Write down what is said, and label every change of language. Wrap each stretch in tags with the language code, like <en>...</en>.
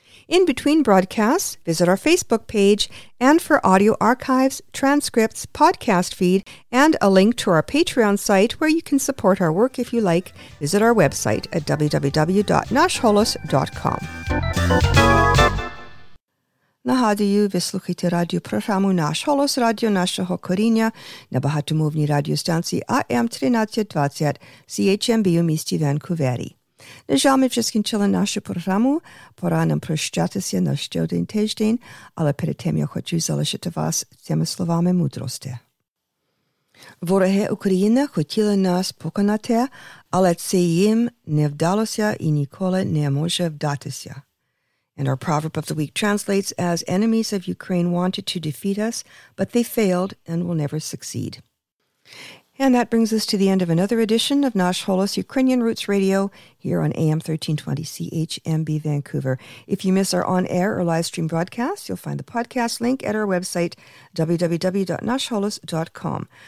<en>In between broadcasts, visit our Facebook page, and for audio archives, transcripts, podcast feed, and a link to our Patreon site where you can support our work if you like, visit our website at www.nashholos.com.</en> <uk>Нагадую, ви слухаєте радіопрограму «Наш Голос», радіо нашого коріння на багатомовній радіостанції АМ 1320 CHMB у місті Ванкувері. На жаль, ми вже скінчили нашу програму. Пора нам прощатися на щодень тиждень, але перед тим я хочу залишити вас цими словами мудрості. Вороги України хотіли нас поконати, але це їм не вдалося і ніколи не може вдатися.</uk> <en>And our proverb of the week translates as, enemies of Ukraine wanted to defeat us, but they failed and will never succeed. And that brings us to the end of another edition of Nash Holos Ukrainian Roots Radio here on AM 1320 CHMB Vancouver. If you miss our on-air or live stream broadcast, you'll find the podcast link at our website, www.nashholos.com.</en>